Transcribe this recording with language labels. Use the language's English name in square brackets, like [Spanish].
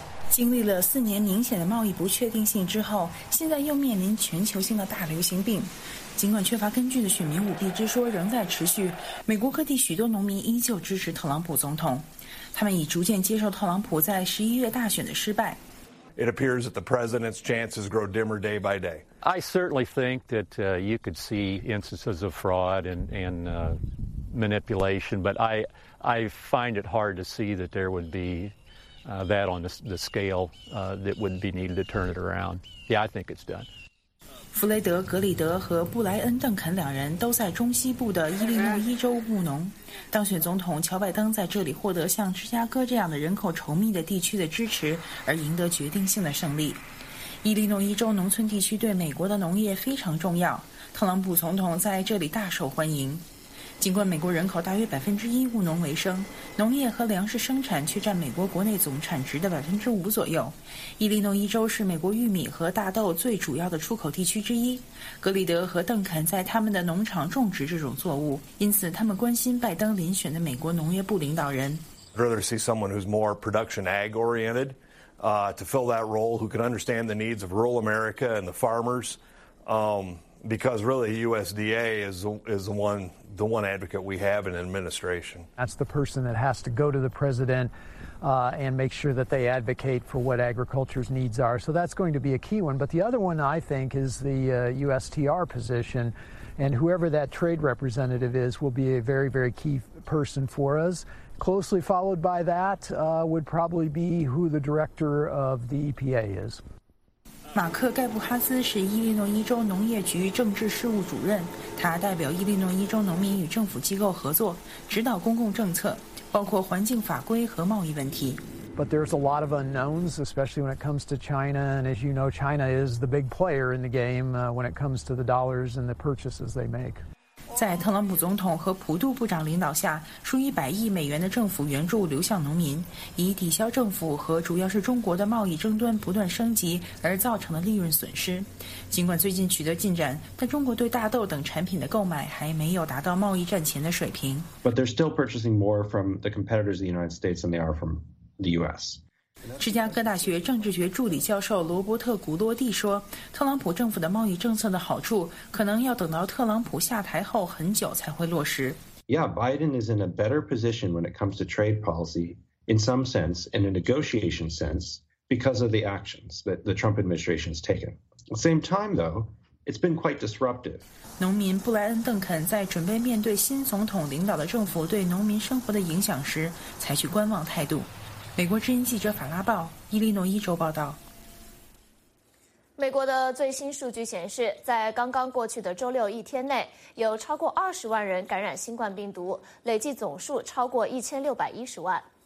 [Chinese] 经历了四年明显的贸易不确定性之后，现在又面临全球性的大流行病。尽管缺乏根据的选民舞弊之说仍在持续，美国各地许多农民依旧支持特朗普总统，他们已逐渐接受特朗普在11月大选的失败。 [English] It appears that the president's chances grow dimmer day by day. I certainly think that you could see instances of fraud and manipulation, but I find it hard to see that there would be. That on the scale that would be needed to turn it around. Yeah, I think it's done. [Chinese] 弗雷德·格里德和布莱恩·邓肯两人都在中西部的伊利诺伊州务农。当选总统乔·拜登在这里获得像芝加哥这样的人口稠密的地区的支持，而赢得决定性的胜利。伊利诺伊州农村地区对美国的农业非常重要，特朗普总统在这里大受欢迎。尽管美国人口大约1%务农为生，农业和粮食生产却占美国国内总产值的5%左右。伊利诺伊州是美国玉米和大豆最主要的出口地区之一。格里德和邓肯在他们的农场种植这种作物，因此他们关心拜登遴选的美国农业部领导人。 [English] I'd rather see someone who's more production ag oriented, to fill that role, who can understand the needs of rural America and the farmers, because really USDA is the one advocate we have in administration. That's the person that has to go to the president and make sure that they advocate for what agriculture's needs are. So that's going to be a key one. But the other one, I think, is the USTR position. And whoever that trade representative is will be a very, very key person for us. Closely followed by that would probably be who the director of the EPA is. [Chinese] 马克·盖布哈斯是伊利诺伊州农业局政治事务主任，他代表伊利诺伊州农民与政府机构合作，指导公共政策，包括环境法规和贸易问题。 [English] But there's a lot of unknowns, especially when it comes to China. And as you know, China is the big player in the game, when it comes to the dollars and the purchases they make. [Chinese] 在特朗普总统和普渡部长领导下，数以百亿美元的政府援助流向农民，以抵消政府和主要是中国的贸易争端不断升级而造成的利润损失。尽管最近取得进展，但中国对大豆等产品的购买还没有达到贸易战前的水平。 [English] But they're still purchasing more from the competitors of the United States than they are from... The U.S. [Chinese] 芝加哥大学政治学助理教授罗伯特·古洛蒂说，特朗普政府的贸易政策的好处可能要等到特朗普下台后很久才会落实。 [English] Yeah, Biden is in a better position when it comes to trade policy in some sense, in a negotiation sense, because of the actions that the Trump administration has taken. At the same time, though, it's been quite disruptive. [Chinese] 农民布莱恩·邓肯在准备面对新总统领导的政府对农民生活的影响时，采取观望态度。美国之音记者法拉报伊利诺伊州报道。美国的最新数据显示，在刚刚过去的周六一天内，有超过20万人感染新冠病毒，累计总数超过1610万。